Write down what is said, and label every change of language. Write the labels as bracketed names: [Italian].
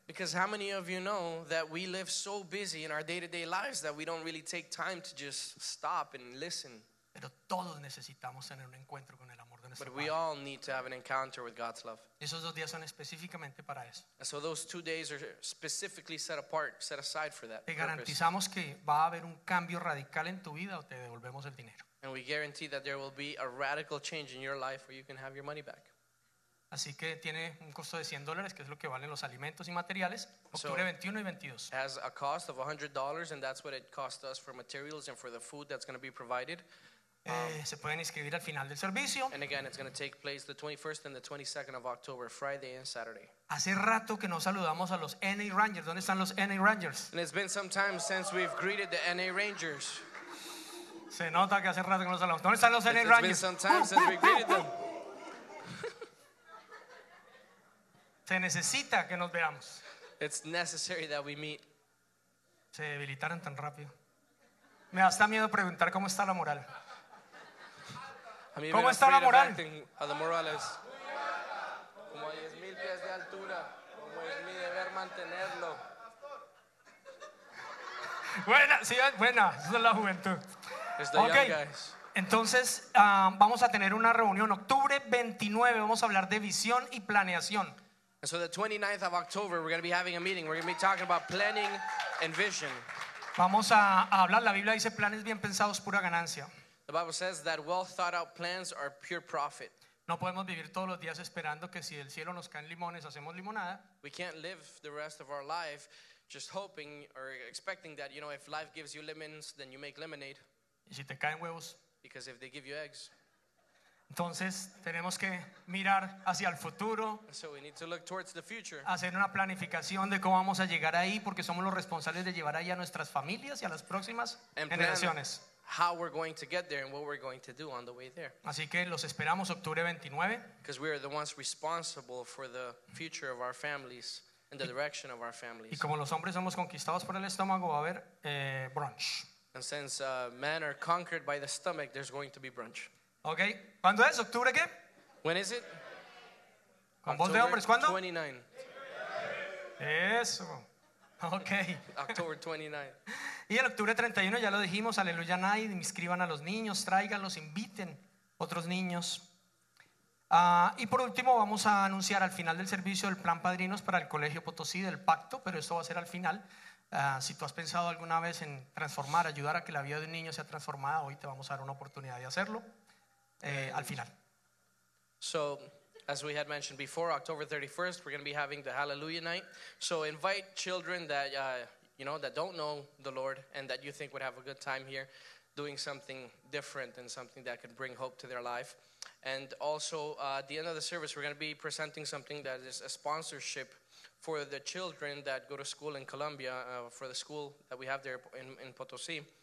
[English] Because how many of you know that we live so busy in our day-to-day lives that we don't really take time to just stop and listen? [Spanish] Pero todos necesitamos tener un encuentro con el amor de nuestro [English] But [Spanish] Padre. [English] We all need to have an encounter with God's love. [Spanish] Esos dos días son específicamente para eso. [English] And so those 2 days are specifically set aside for that. [Spanish] Te garantizamos que va a haber un cambio radical en tu vida o te devolvemos el dinero. [English] And we guarantee that there will be a radical change in your life or you can have your money back. [Spanish] Así que tiene un costo de $100, que es lo que valen los alimentos y materiales, octubre 21 y 22. [English] It has a cost of $100, and that's what it costs us for materials and for the food that's going to be provided. [Spanish] Se pueden inscribir al final del servicio. [English] And again, it's going to take place the 21st and the 22nd of October, Friday and Saturday. [Spanish] Hace rato que no saludamos a los NA Rangers. ¿Dónde están los NA Rangers? [English] And it's been some time since we've greeted the NA Rangers. [Spanish] Se nota que hace rato que no saludamos. ¿Dónde están los NA [English] it's [Spanish] Rangers? [English] It's been some time since we've greeted them. [Spanish] Se necesita que nos veamos. [English] it's necessary that we meet. [Spanish] Se debilitaron tan rápido. Me da hasta miedo preguntar cómo está la moral. ¿Cómo está la moral? [English] The moral is, [Spanish] como 10,000 pies de altura, como es mi deber mantenerlo. Buena, sí, buena, esa es la juventud. [English] Okay. [Spanish] Entonces, vamos a tener una reunión octubre 29, vamos a hablar de visión y planeación. [English] And so the 29th of October we're going to be having a meeting. We're going to be talking about planning and vision. [Spanish] Vamos a hablar, la Biblia dice planes bien pensados pura ganancia. [English] The Bible says that well thought out plans are pure profit. [Spanish] No podemos vivir todos los días esperando que si del cielo nos caen limones hacemos limonada. [English] We can't live the rest of our life just hoping or expecting that, you know, if life gives you lemons, then you make lemonade. [Spanish] Y si te caen huevos. [English] Because if they give you eggs. [Spanish] Entonces, tenemos que mirar hacia el futuro. [English] So we need to look towards the future. [Spanish] Hacer una planificación de cómo vamos a llegar ahí, porque somos los responsables de llevar ahí a nuestras familias y a las próximas generaciones. [English] How we're going to get there and what we're going to do on the way there. [Spanish] Así que los esperamos octubre 29. [English] Because we are the ones responsible for the future of our families. In the direction of our families. [Spanish] Y como los hombres somos conquistados por el estómago, va a haber brunch. [English] And since men are conquered by the stomach, there's going to be brunch. [Spanish] Okay. ¿Cuándo es? ¿Octubre qué? [English] When is it? [Spanish] ¿Con voz de hombres? ¿Cuándo? [English] October 29. [Spanish] Eso. Okay. [English] October 29. [Spanish] Y el octubre 31, ya lo dijimos, aleluya, nadie, me inscriban a los niños, tráiganlos, inviten otros niños. Y por último vamos a anunciar al final del servicio el plan padrinos para el Colegio Potosí del pacto, pero esto va a ser al final. Si tú has pensado alguna vez en transformar, ayudar a que la vida de un niño sea transformada, hoy te vamos a dar una oportunidad de hacerlo al final. [English] So as we had mentioned before, October 31st we're going to be having the Hallelujah Night. So invite children that you know, that don't know the Lord and that you think would have a good time here doing something different and something that could bring hope to their life. And also, at the end of the service, we're going to be presenting something that is a sponsorship for the children that go to school in Colombia, for the school that we have there in Potosí.